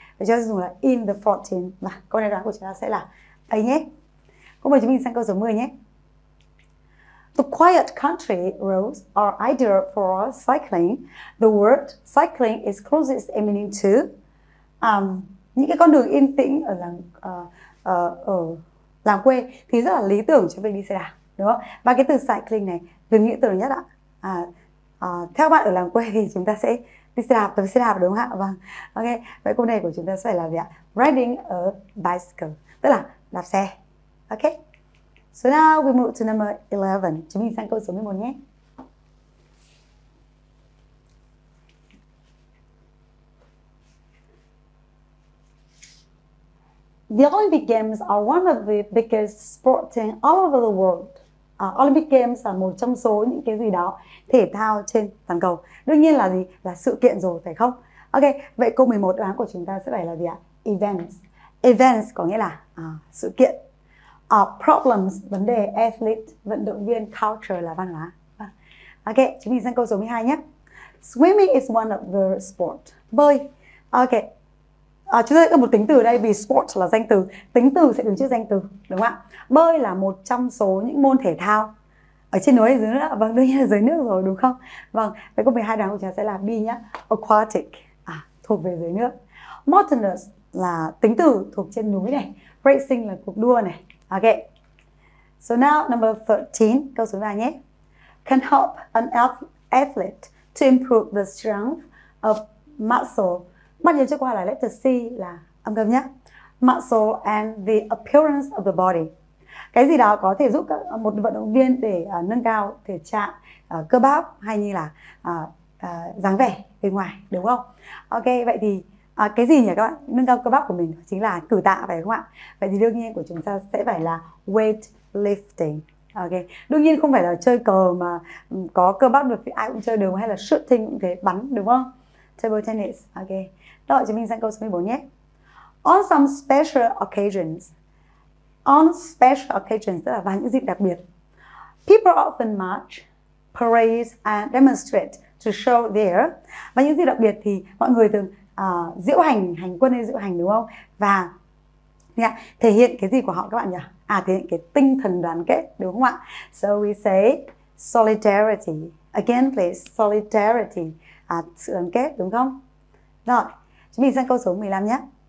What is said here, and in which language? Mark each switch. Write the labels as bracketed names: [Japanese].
[Vietnamese] Và cho dùng là [English] in the 14. [Vietnamese] Và câu này đoán của chúng ta sẽ là A nhé. Cô mời chúng mình sang câu số 10 nhé. [English] The quiet country roads are ideal for cycling. The word cycling is closest in meaning to [Vietnamese] những cái con đường yên tĩnh ở làng ở làng quê thì rất là lý tưởng cho việc đi xe đạp, đúng không? Và cái từ cycling này từ nghĩa từ nhất ạ. Theo bạn ở làng quê thì chúng ta sẽ đi xe đạp, đúng không ạ? Vâng. Ok. Vậy câu này của chúng ta sẽ là gì ạ? Riding a bicycle, tức là đạp xe. Ok. [English] So now we move to number 11. [Vietnamese] Chúng mình sang câu số 11 nhé. [English] The Olympic Games are one of the biggest sports in all over the world. [Vietnamese] Olympic Games là một trong số những cái gì đó thể thao trên toàn cầu. Đương nhiên là gì? Là sự kiện rồi, phải không? Ok, vậy câu 11 đoán của chúng ta sẽ phải là gì ạ? Events. Events có nghĩa là sự kiện. Problems, vấn đề, athlete, vận động viên, culture là văn hóa. Ok, chúng mình sang câu số 12 nhé. [English] Swimming is one of the sport. [Vietnamese] Bơi. Ok. Chúng ta có một tính từ ở đây vì sport là danh từ. Tính từ sẽ đứng trước danh từ, đúng không ạ? Bơi là một trong số những môn thể thao ở trên núi hay dưới nước? Vâng, đương nhiên là dưới nước rồi, đúng không? Vâng, vậy câu 12 đoán của chúng ta sẽ là B nhé. Aquatic, thuộc về dưới nước. Mountainous là tính từ thuộc trên núi này. Racing là cuộc đua này. Ok. [English] So now number 13, [Vietnamese] câu số 3 nhé. [English] Can help an athlete to improve the strength of muscle. [Vietnamese] Bạn nhớ trước qua là letter C là âm cầm nhé. [English] Muscle and the appearance of the body. [Vietnamese] Cái gì đó có thể giúp một vận động viên để nâng cao thể trạng, cơ bắp hay như là dáng vẻ bên ngoài, đúng không? Ok, vậy thì cái gì nhỉ các bạn? Nâng cao cơ bắp của mình chính là cử tạ, phải không ạ? Vậy thì đương nhiên của chúng ta sẽ phải là weight lifting. Ok, đương nhiên không phải là chơi cờ mà có cơ bắp được thì ai cũng chơi được, hay là shooting cũng thế, bắn, đúng không? Table tennis. Ok, đợi chúng mình sang câu số 14 nhé. [English] On some special occasions. On special occasions, [Vietnamese] tức là vào những dịp đặc biệt. [English] People often march, parade and demonstrate to show their. [Vietnamese] Và những dịp đặc biệt thì mọi người thường diễu hành, hành quân hay diễu hành, đúng không? Và thể hiện cái gì của họ các bạn nhỉ? À, thể hiện cái tinh thần đoàn kết, đúng không ạ? [English] So we say solidarity. Again please, solidarity. [Vietnamese] Sự đoàn kết, đúng không? Rồi, chúng mình sang câu số 15 nhé.